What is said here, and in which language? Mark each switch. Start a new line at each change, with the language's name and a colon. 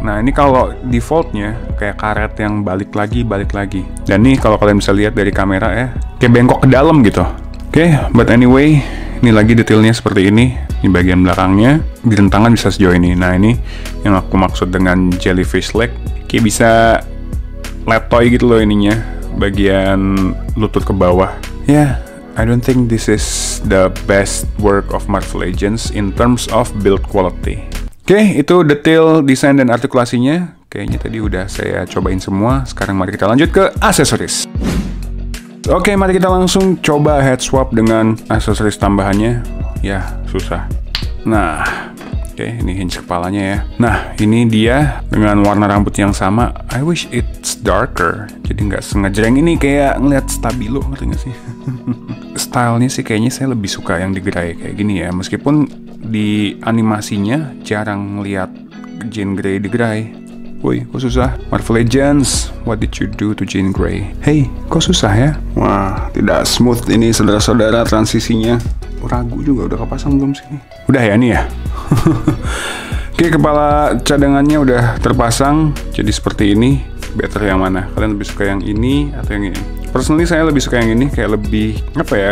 Indonesian: Nah ini kalau defaultnya kayak karet yang balik lagi, dan nih kalau kalian bisa lihat dari kamera ya, kayak bengkok ke dalam gitu. Oke,
English: but anyway,
Indonesian: ini lagi detailnya seperti ini. Di bagian belakangnya, di rentangan bisa sejauh ini. Nah ini yang aku maksud dengan jellyfish leg. Kayak bisa letoy gitu loh ininya, bagian lutut ke bawah.
English: Yeah, I don't think this is the best work of Marvel Legends in terms of build quality.
Indonesian: Oke, itu detail desain dan artikulasinya. Kayaknya tadi udah saya cobain semua. Sekarang mari kita lanjut ke aksesoris. Oke, mari kita langsung coba head swap dengan aksesoris tambahannya. Ya, susah. Nah, oke, ini hinge kepalanya ya. Nah, ini dia dengan warna rambut yang sama.
English: I wish it's darker.
Indonesian: Jadi nggak sengejreng ini, kayak ngeliat stabilo, ngerti nggak sih? Stylenya sih kayaknya saya lebih suka yang digerai kayak gini ya. Meskipun di animasinya jarang ngeliat Jean Grey digerai. Woi, kok susah?
English: Marvel Legends, what did you do to Jean Grey?
Indonesian: Hey, kok susah ya? Wah, tidak smooth ini saudara-saudara transisinya. Ragu juga udah kepasang belum sih? Udah ya nih ya. Oke, kepala cadangannya udah terpasang, jadi seperti ini. Better yang mana? Kalian lebih suka yang ini atau yang ini? Personally saya lebih suka yang ini, kayak lebih apa ya?